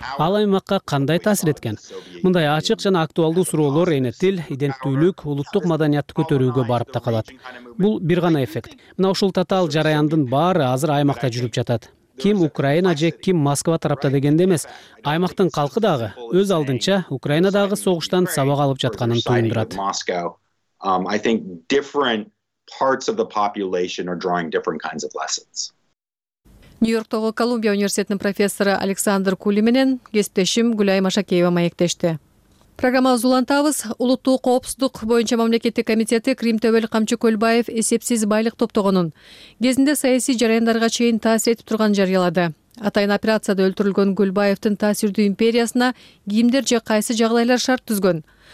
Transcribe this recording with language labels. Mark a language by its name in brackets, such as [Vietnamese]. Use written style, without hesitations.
[Kyrgyz] Ал аймакка кандай таасир эткен? Мындай ачык жана актуалдуу суроолор эне тил, иденттүүлүк, улуттук маданиятты көтөрүүгө барып такалат. Бул бир гана эффект. Мына ушул татаал жараяндын баары азыр аймакта жүрүп жатат. Ким Украина же ким Москва тарапта дегенде эмес, аймактын калкы дагы өз алдынча Украинадагы согуштан сабак алып жатканын туюндурат. [English] I think different parts of the population are drawing different kinds of lessons. [Kyrgyz] Нью-Йорктогу Колумбия университетинин профессору Александр Кули менен кесиптешим Гүлай Машакеева маектешти. Программабызды улантабыз. Улуттук коопсуздук боюнча мамлекеттик комитети Крим Төбөл Камчы Көлбаев эсепсиз байлык топтогонун кезинде саясий жараяндарга чейин таасир этип турган жарыялады. Атайын операцияда өлтүрүлгөн Көлбаевдин таасирдүү империясына кимдер же кайсы жагдайлар шарт түзгөн?